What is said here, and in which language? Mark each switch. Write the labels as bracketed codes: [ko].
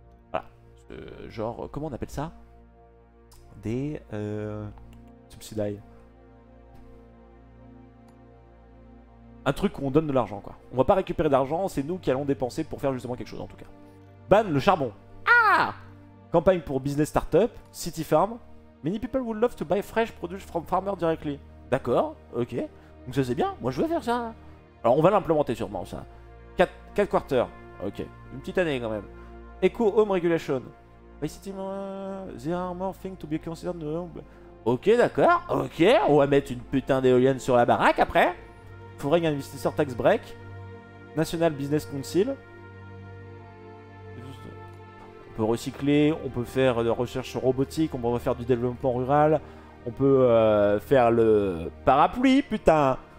[fr] Voilà. Genre, comment on appelle ça? Des subsidy. Un truc où on donne de l'argent quoi. On va pas récupérer d'argent, c'est nous qui allons dépenser pour faire justement quelque chose en tout cas. Ban le charbon. Ah! Campagne pour business startup, city farm. [en] Many people would love to buy fresh produce from farmer directly. [fr] D'accord, ok. Donc ça c'est bien, moi je veux faire ça. Alors on va l'implémenter sûrement ça. 4 quarters, ok. Une petite année quand même. [en] Eco home regulation. By city, there are more things to be considered. [fr] Ok, d'accord, ok. On va mettre une putain d'éolienne sur la baraque après. [en] Foreign investor tax break. National business council. [fr] On peut recycler, on peut faire de la recherche robotique, on peut faire du développement rural, on peut faire le parapluie, putain!